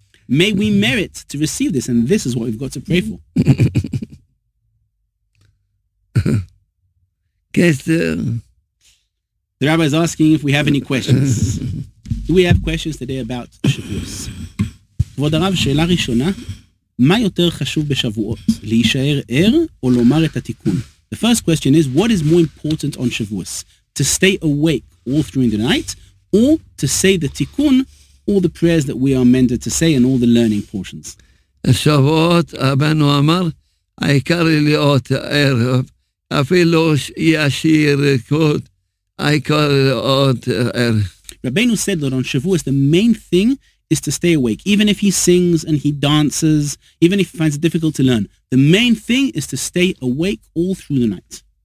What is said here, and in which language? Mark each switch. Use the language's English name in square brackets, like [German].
[English] May we merit to receive this, and this is what we've got to pray for. The rabbi is asking if we have any questions. Do we have questions today about Shavuos? [Hebrew] Kvod Rav, שאלה ראשונה, מה יותר חשוב בשבועות, להישאר ער או לומר את התיקון? [English] The first question is, what is more important on Shavuos? To stay awake all during the night, or to say the tikkun, all the prayers that we are mended to say, and all the learning portions? [Hebrew] Shavuot, Rabbeinu Amar, העיקר להיות ער, אפילו ישיר כבוד, העיקר להיות ער. [English] Rabbeinu said that on Shavuos, the main thing is to stay awake. Even if he sings and he dances, even if he finds it difficult to learn, the main thing is to stay awake all through the night.